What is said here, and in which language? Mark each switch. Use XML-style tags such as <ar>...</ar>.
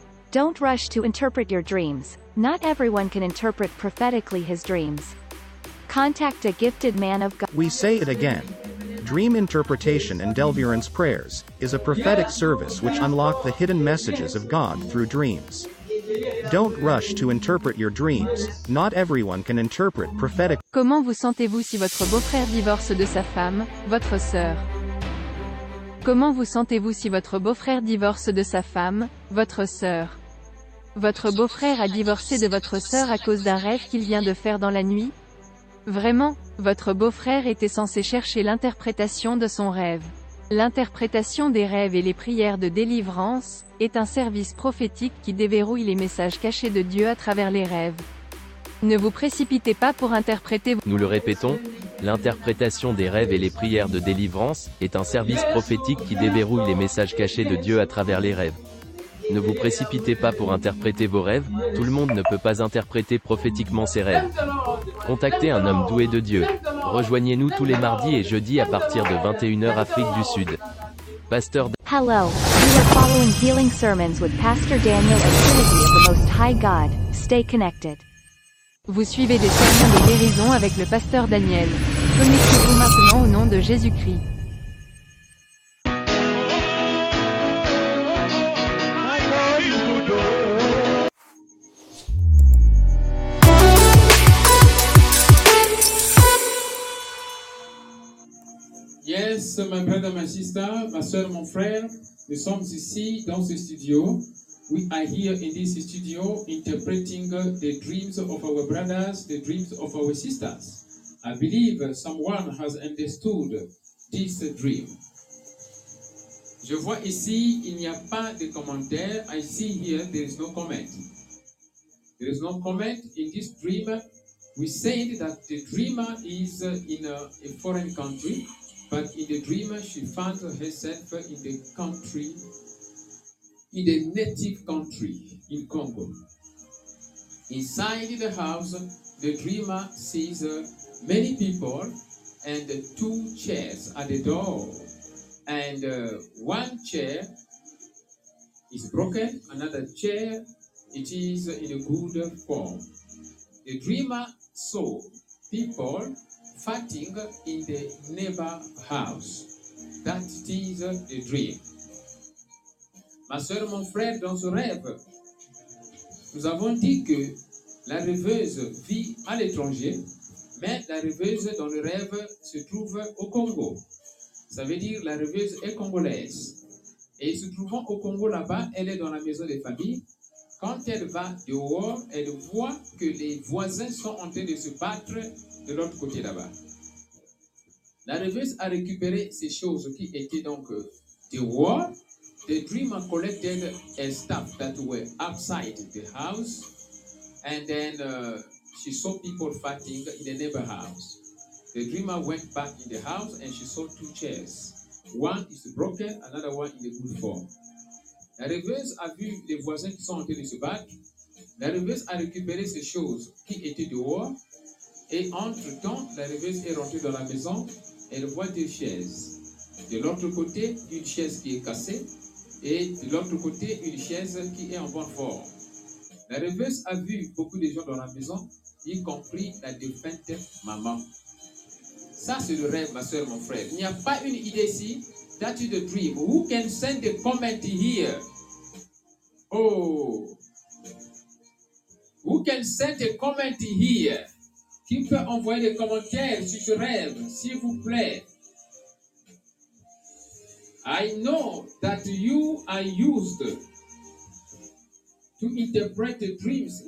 <fr>Don't rush to interpret your dreams. Not everyone can interpret prophetically his dreams. Contact a gifted man of God. We say it again. Dream Interpretation and Delverance Prayers is a prophetic service which unlock the hidden messages of God through dreams. Don't rush to interpret your dreams, not everyone can interpret prophetic. Comment vous sentez-vous si votre beau-frère divorce de sa femme, votre sœur? Comment vous sentez-vous si votre beau-frère divorce de sa femme, votre sœur? Votre beau-frère a divorcé de votre sœur à cause d'un rêve qu'il vient de faire dans la nuit? Vraiment, votre beau-frère était censé chercher l'interprétation de son rêve. L'interprétation des rêves et les prières de délivrance est un service prophétique qui déverrouille les messages cachés de Dieu à travers les rêves. Ne vous précipitez pas pour interpréter. Nous le répétons, l'interprétation des rêves et les prières de délivrance est un service prophétique qui déverrouille les messages cachés de Dieu à travers les rêves. Ne vous précipitez pas pour interpréter vos rêves, tout le monde ne peut pas interpréter prophétiquement ses rêves. Contactez un homme doué de Dieu. Rejoignez-nous tous les mardis et jeudis à partir de 21h Afrique du Sud. Pasteur</fr> <en>Hello, we are following healing sermons with Pastor Daniel and Trinity of the Most High God. Stay connected.</en> <fr>Vous suivez des sermons de guérison avec le pasteur Daniel. Connectez-vous maintenant au nom de Jésus-Christ.</fr> <en>Yes, my brother, my sister, my</en> <fr>soeur, mon frère, nous sommes ici dans ce studio.</fr> <en>We are here in this studio interpreting the dreams of our brothers, the dreams of our sisters. I believe someone has understood this dream.</en> <fr>Je vois ici, il n'y a pas de commentaire.</fr> <en>I see here, there is no comment. There is no comment in this dream. We said that the dreamer is in a foreign country. But in the dream, she found herself in the country, in the native country, in Congo. Inside the house, the dreamer sees many people and two chairs at the door. And one chair is broken, another chair, it is in a good form. The dreamer saw people fighting in the neighbor house. That is a dream.</en> <fr>Ma soeur, mon frère, dans ce rêve, nous avons dit que la rêveuse vit à l'étranger, mais la rêveuse dans le rêve se trouve au Congo. Ça veut dire la rêveuse est congolaise. Et se trouvant au Congo là-bas, elle est dans la maison des familles. Quand elle va dehors, elle voit que les voisins sont en train de se battre de l'autre côté là-bas. La rêveuse a récupéré ces choses qui étaient donc dehors. The dreamer collected a stuff that were outside the house. And then she saw people fighting in the neighbor house. The dreamer went back in the house and she saw two chairs. One is broken, another one in a good form. La rêveuse a vu les voisins qui sont en train de se battre. La rêveuse a récupéré ces choses qui étaient dehors. Et entre-temps, la rêveuse est rentrée dans la maison, elle voit deux chaises. De l'autre côté, une chaise qui est cassée, et de l'autre côté, une chaise qui est en bonne forme. La rêveuse a vu beaucoup de gens dans la maison, y compris la défunte maman. Ça, c'est le rêve, ma soeur, mon frère. Il n'y a pas une idée ici.</fr> <en>That is the dream. Who can send a comment here? Oh! Who can send a comment here?</en> <fr>Qui peut envoyer des commentaires sur ce rêve, s'il vous plaît?</fr> <en>I know that you are used to interpret the dreams.</en>